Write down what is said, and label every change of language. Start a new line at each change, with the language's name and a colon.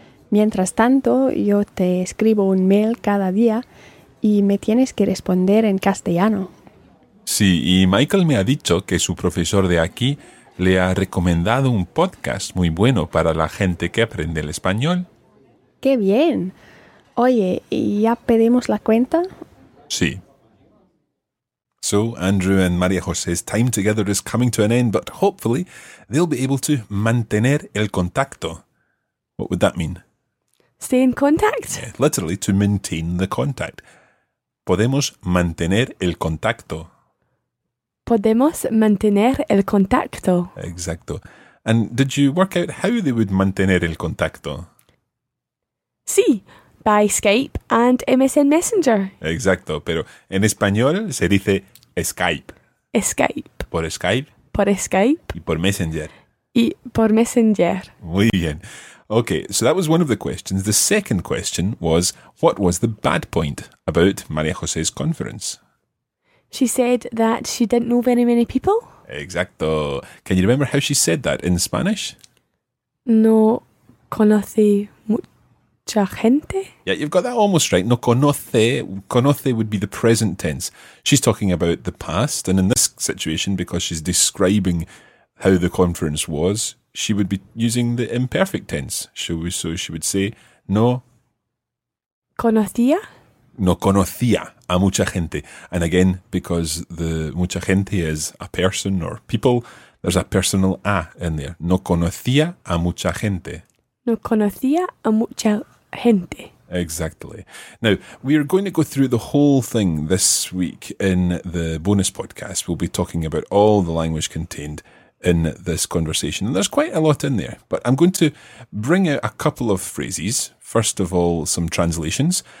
Spanish: Mientras tanto, yo te escribo un mail cada día y me tienes que responder en castellano. Sí, y Michael me ha dicho que su profesor de aquí le ha recomendado un podcast muy bueno para la gente que aprende el español. ¡Qué bien! Oye, ¿ya pedimos la cuenta? Sí.
English: So, Andrew and María José's time together is coming to an end, but hopefully they'll be able to
Spanish: mantener el contacto.
English: What would that mean? Stay in contact? Yeah, literally, to maintain the contact.
Spanish: Podemos mantener el contacto. Podemos mantener el contacto. Exacto.
English: And did you work out how they would
Spanish: mantener el contacto?
English: Sí, by Skype and MSN Messenger.
Spanish: Exacto, pero en español se dice Skype. Skype. Por Skype. Por Skype. Y por Messenger. Y por Messenger. Muy bien.
English: Okay, so that was one of the questions. The second question was, what was the bad point about María José's conference? She said that she didn't know very many people.
Spanish: Exacto.
English: Can you remember how she said that in Spanish?
Spanish: No conocí mucha gente?
English: Yeah, you've got that almost right.
Spanish: No conoce.
English: Conoce would be the present tense. She's talking about the past. And in this situation, because she's describing how the conference was, she would be using the imperfect tense. So she would say, no
Spanish: conocía. No conocía a mucha gente.
English: And again, because the
Spanish: mucha gente
English: is a person or people, there's a personal a in there.
Spanish: No conocía a mucha gente. No conocía a mucha gente.
English: Exactly. Now, we are going to go through the whole thing this week in the bonus podcast. We'll be talking about all the language contained in this conversation. And there's quite a lot in there. But I'm going to bring out a couple of phrases. First of all, some translations.